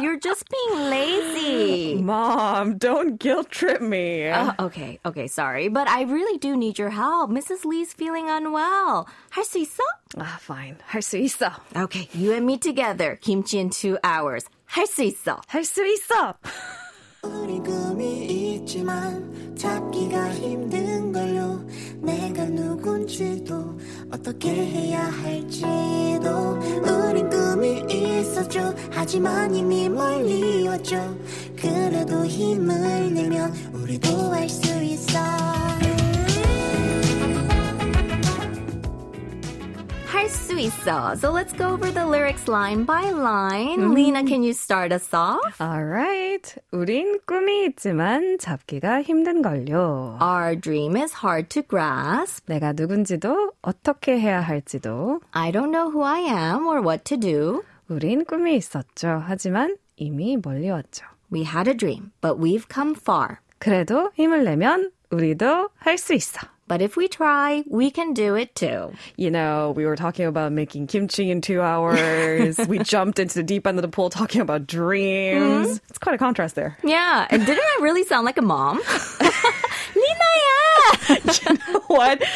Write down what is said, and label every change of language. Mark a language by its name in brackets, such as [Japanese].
[English] You're just being lazy. Mom, don't guilt trip me. Okay, sorry. But I really do need your help. Mrs. Lee's feeling unwell. [Korean] 할 수 있어? [English] Fine. [Korean] 할 수 있어. [English] Okay, you and me together. Kimchi in 2 hours. [Korean] 할 수 있어. 할 수 있어. 우리 꿈이 있지만 찾기가 힘든 걸로 내가 누군지도 어떻게 해야 할지도 우린 꿈이 있었죠 하지만 이미 멀리 왔죠 그래도 힘을 내면 우리도 할 수 있어 할 수 있어. [English] So let's go over the lyrics line by line. Lena, can you start us off? All right. [Korean] 우린 꿈이 있지만 잡기가 힘든 걸요. [English] Our dream is hard to grasp. [Korean] 내가 누군지도 어떻게 해야 할지도. [English] I don't know who I am or what to do. [Korean] 우린 꿈이 있었죠. 하지만 이미 멀리 왔죠. [English] We had a dream, but we've come far. [Korean] 그래도 힘을 내면 우리도 할 수 있어. [English] But if we try, we can do it too. You know, we were talking about making kimchi in 2 hours. We jumped into the deep end of the pool talking about dreams. Mm-hmm. It's quite a contrast there. Yeah. And didn't I really sound like a mom? Lina-ya! You know what?